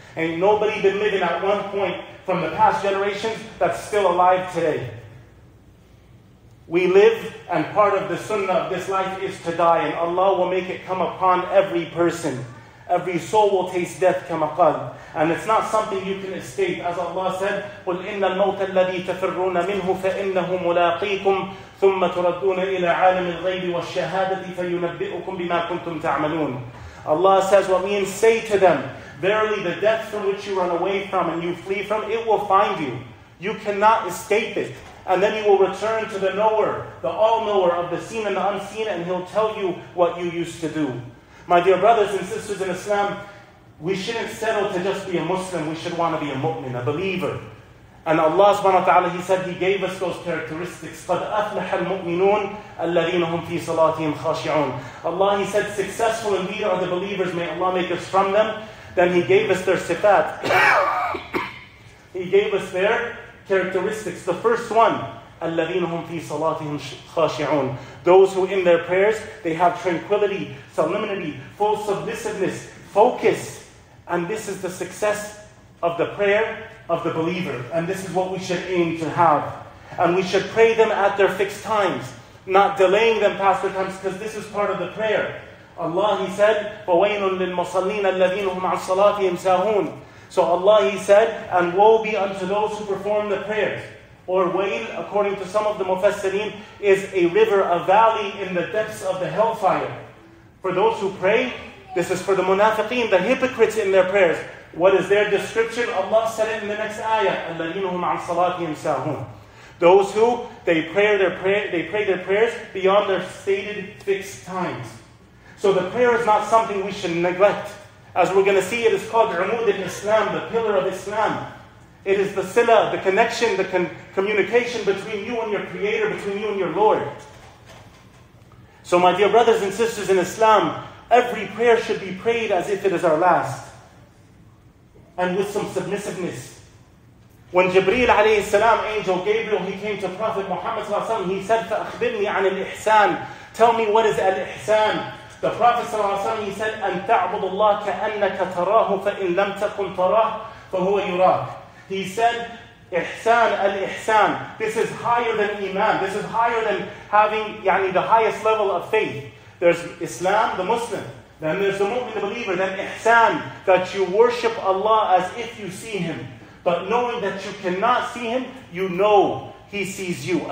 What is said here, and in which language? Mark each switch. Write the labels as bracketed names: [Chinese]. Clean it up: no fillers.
[English] Ain't nobody been living at one point from the past generations that's still alive today. We live, and part of the sunnah of this life is to die, and Allah will make it come upon every person. Every soul will taste death, [Arabic] كما قال. [English] And it's not something you can escape. As Allah said, [Arabic] قُلْ إِنَّ الْمَوْتَ الَّذِي تَفِرُّونَ مِنْهُ فَإِنَّهُ مُلَاقِيكُمْ ثُمَّ تُرَدُّونَ إِلَىٰ عَالَمِ الْغَيْبِ وَالشَّهَادَةِ فَيُنَبِّئُكُمْ بِمَا كُنْتُمْ تَعْمَلُونَ. [English] Allah says, what means, say to them, verily the death from which you run away from and you flee from, it will find you. You cannot escape it. And then you will return to the knower, the all-knower of the seen and the unseen, and he'll tell you what you used to do. My dear brothers and sisters in Islam, we shouldn't settle to just be a Muslim. We should want to be a mu'min, a believer. And Allah subhanahu wa ta'ala, He said, He gave us those characteristics. [Arabic] قَدْ أَفْلَحَ الْمُؤْمِنُونَ الَّذِينَ هُمْ فِي صَلَاتِهِمْ خَاشِعُونَ. [English] Allah, He said, successful indeed are the believers. May Allah make us from them. Then He gave us their sifat. He gave us their characteristics. The first one, [Arabic] الَّذِينَ هُمْ فِي صَلَاتِهِمْ خَاشِعُونَ. [English] Those who in their prayers, they have tranquility, sublimity, full submissiveness, focus. And this is the success of the prayer of the believer. And this is what we should aim to have. And we should pray them at their fixed times, not delaying them past their times, because this is part of the prayer. Allah, He said, [Arabic] فَوَيْنٌ لِلْمُصَلِّينَ الَّذِينَ هُمْ عَنْ صَلَاتِهِمْ سَاهُونَ. [English] So Allah, He said, and woe be unto those who perform the prayers. Or wail, according to some of the Mufassirin, is a river, a valley in the depths of the hellfire. For those who pray, this is for the munafiqeen, the hypocrites in their prayers. What is their description? Allah said it in the next ayah, [Arabic] الَّذِينَ هُمْ عَنْ صَلَاتِهِمْ سَاهُونَ. [English] Those who, they pray their prayers beyond their stated fixed times. So the prayer is not something we should neglect. As we're going to see, it is called [Arabic] عمود الإسلام, [English] the pillar of Islam. It is the sila, the connection, the communication between you and your Creator, between you and your Lord. So my dear brothers and sisters in Islam, every prayer should be prayed as if it is our last. And with some submissiveness. When Jibreel alayhi salam, angel Gabriel, he came to Prophet Muhammad sallallahu alayhi wa sallam, he said, [Arabic] فَأَخْبِرْنِي عَنِ الْإِحْسَانِ. [English] Tell me what is al-ihsan. The Prophet sallallahu alayhi wa sallam, he said, [Arabic] أَن تَعْبُدُ اللَّهَ كَأَنَّكَ تَرَاهُ فَإِن لَمْ تَكُنْ تَرَاهُ فَهُوَ يُرَاكُ. [English] He said, ihsan al-ihsan. This is higher than iman. This is higher than having [Arabic] يعني, [English] the highest level of faith. There's Islam, the Muslim. Then there's the mu'min, the believer. Then ihsan, that you worship Allah as if you see Him. But knowing that you cannot see Him, you know He sees you.